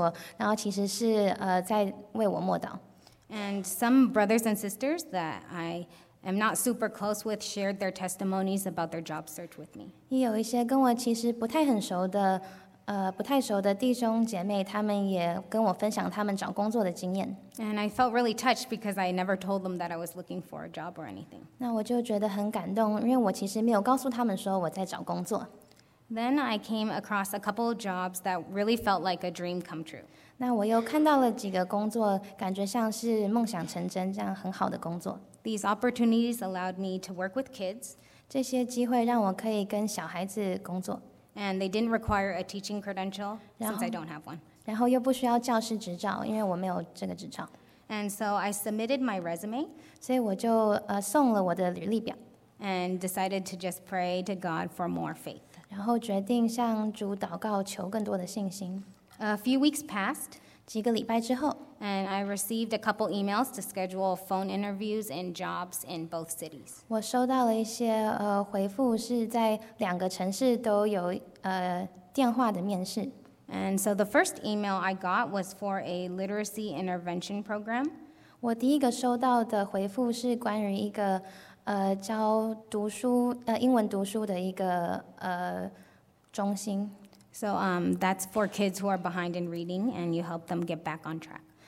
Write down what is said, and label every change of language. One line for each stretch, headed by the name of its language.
Chinese: 我还有一位朋友在工作的时候特别休息去上厕所,然后其实是在为我默祷。
English: And some brothers and sisters that I am not super close with shared their testimonies about their job search with me.
Chinese: 也有一些跟我其实不太很熟的弟兄姐妹,他们也跟我分享他们找工作的经验。
English: And I felt really touched because I never told them that I was looking for a job or anything.
Chinese: 那我就觉得很感动,因为我其实没有告诉他们说我在找工作。
English: Then I came across a couple of jobs that really felt like a dream come true.
Chinese: 那我又看到了几个工作,感觉像是梦想成真,这样很好的工作。
English: These opportunities allowed me to work with kids.
Chinese: 这些机会让我可以跟小孩子工作。
English: And they didn't require a teaching credential, since I don't have one.
Chinese: 然后又不需要教师执照,因为我没有这个执照。
English: And so I submitted my resume.
Chinese: 所以我就送了我的履历表。
English: And decided to just pray to God for more faith.
Chinese: 然后决定向主祷告,求更多的信心。
English: A few weeks passed.
Chinese: 几个礼拜之后,
English: and I received a couple emails to schedule phone interviews and jobs in both cities.
Chinese: 我收到了一些回复是在两个城市都有电话的面试。
English: And so the first email I got was for a literacy intervention program.
Chinese: 我第一个收到的回复是关于一个教英文读书的一个中心。
English: So that's for kids who are behind in reading, and you help them get back on track.